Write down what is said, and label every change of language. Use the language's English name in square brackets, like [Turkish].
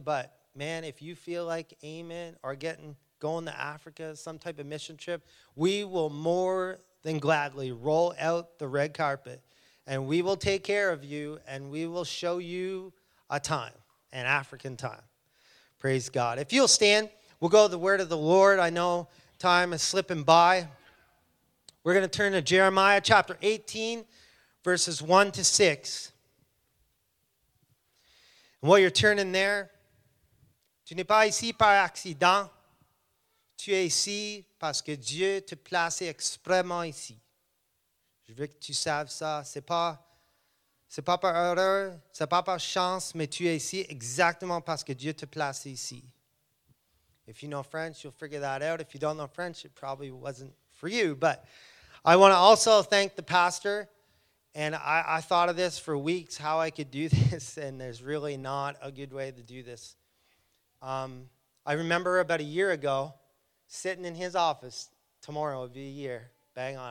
[English] But, man, if you feel like aiming or going to Africa, some type of mission trip, we will more than gladly roll out the red carpet. And we will take care of you, and we will show you a time, an African time. Praise God. If you'll stand, we'll go to the word of the Lord. I know time is slipping by. We're going to turn to Jeremiah chapter 18, verses 1 to 6. And while you're turning there, [French] tu n'es pas ici par accident. Tu es ici parce que Dieu te place exprèsment ici. Je veux que tu saves ça. C'est pas par erreur, c'est pas par chance, mais tu es ici exactement parce que Dieu te place ici. [English] If you know French, you'll figure that out. If you don't know French, it probably wasn't for you. But I want to also thank the pastor. And I thought of this for weeks, how I could do this, and there's really not a good way to do this. I remember about a year ago, sitting in his office, tomorrow would be a year, bang on.